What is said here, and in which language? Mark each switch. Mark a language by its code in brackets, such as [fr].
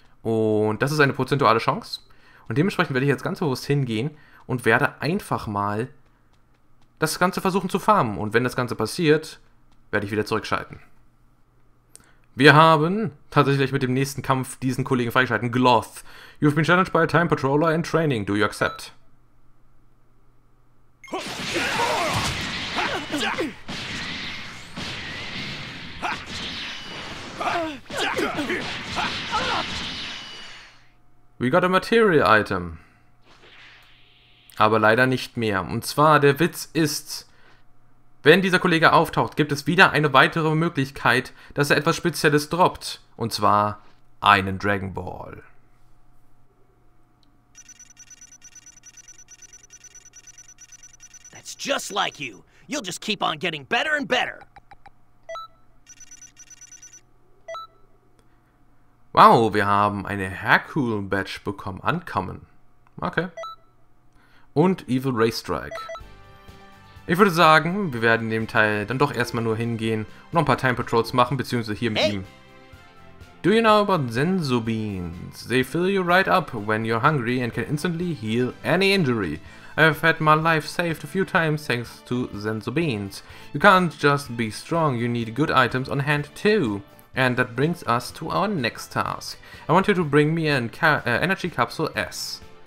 [de] Und das ist eine prozentuale Chance. Und dementsprechend werde ich jetzt ganz bewusst hingehen und werde einfach mal das Ganze versuchen zu farmen. Und wenn das Ganze passiert, werde ich wieder zurückschalten. Wir haben tatsächlich mit dem nächsten Kampf diesen Kollegen freigeschalten. [en] Gloth, you've been challenged by a Time Patroller in training. Do you accept? We got a material item. [de] Aber leider nicht mehr. Und zwar, der Witz ist, wenn dieser Kollege auftaucht, gibt es wieder eine weitere Möglichkeit, dass er etwas Spezielles droppt. Und zwar einen Dragon Ball. [en] That's just like you. You'll just keep on getting better and better. [de] Wow, wir haben eine Hercule-Badge bekommen. Ankommen. Okay. Und Evil Ray Strike. Ich würde sagen, wir werden in dem Teil dann doch erstmal nur hingehen und noch ein paar Time Patrols machen, beziehungsweise hier mit ihm. [en] Do you know about Zenzo Beans? They fill you right up when you're hungry and can instantly heal any injury. I've had my life saved a few times thanks to Zenzo Beans. You can't just be strong, you need good items on hand too. And that brings us to our next task. I want you to bring me an energy capsule S.